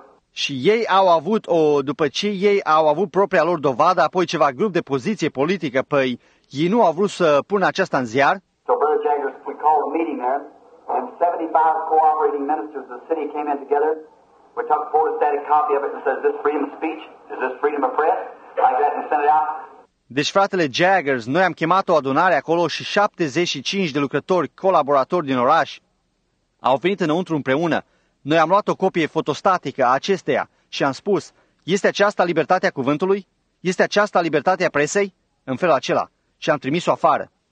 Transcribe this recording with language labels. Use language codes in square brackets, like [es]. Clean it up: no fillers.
[ro] Și ei au avut o, după ce ei au avut propria lor dovadă, apoi ceva grup de poziție politică, păi ei nu au vrut să pună aceasta în ziar. [en] So Brother Jaggers, we called a meeting there, and 75 cooperating ministers of the city came in together. We took a photostatic copy of it and said, is this freedom of speech? Is this freedom of press? Like that and sent it out. [ro] Deci, fratele Jaggers, noi am chemat o adunare acolo și 75 de lucrători, colaboratori din oraș, au venit înăuntru împreună. Noi am luat o copie fotostatică a acesteia și am spus, este aceasta libertatea cuvântului? Este aceasta libertatea presei? În felul acela. Și am trimis-o afară.